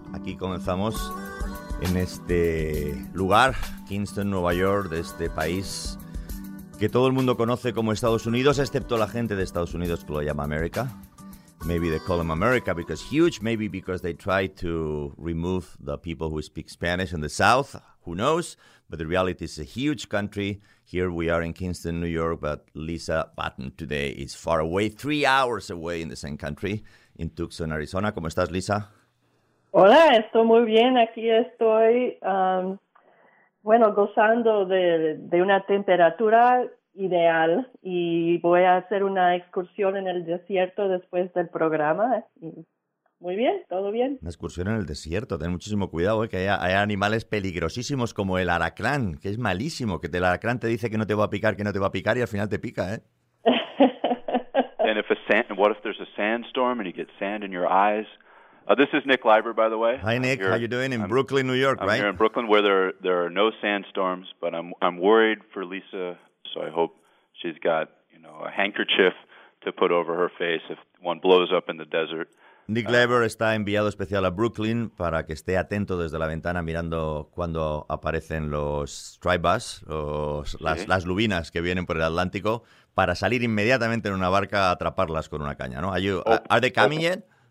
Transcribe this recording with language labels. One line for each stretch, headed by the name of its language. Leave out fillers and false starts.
Spanish: Aquí comenzamos en este lugar, Kingston, Nueva York, de este país que todo el mundo conoce como Estados Unidos, excepto la gente de Estados Unidos que lo llama América.
English: Maybe they call them America because huge, maybe because they try to remove the people who speak Spanish in the South. Who knows? But the reality is a huge country. Here we are in Kingston, New York, but Lisa Patton today is far away, 3 hours away in the same country, in Tucson, Arizona.
Spanish: ¿Cómo estás, Lisa? Hola, estoy muy bien. Aquí estoy, bueno, gozando de una temperatura ideal y voy a hacer una excursión en el desierto después del programa. Muy bien, todo bien. Una excursión en el desierto. Ten muchísimo cuidado, que hay animales peligrosísimos como el alacrán, que es malísimo, que el alacrán te dice que no te va a picar y al final te pica, ¿eh?
English: And what if there's a sandstorm and you get sand in your eyes? This is Nick Leiber, by the way. Hi, Nick. How you doing? Brooklyn, New York, right? I'm here in Brooklyn where there are no sandstorms, but I'm worried for Lisa, so I hope she's got, you know, a handkerchief to put over her face if one blows up in the desert.
Spanish: Nick Leiber está enviado especial a Brooklyn para que esté atento desde la ventana mirando cuando aparecen los tribus, las lubinas que vienen por el Atlántico, para salir inmediatamente en una barca a atraparlas con una caña, ¿no?
English: ¿Are they coming yet?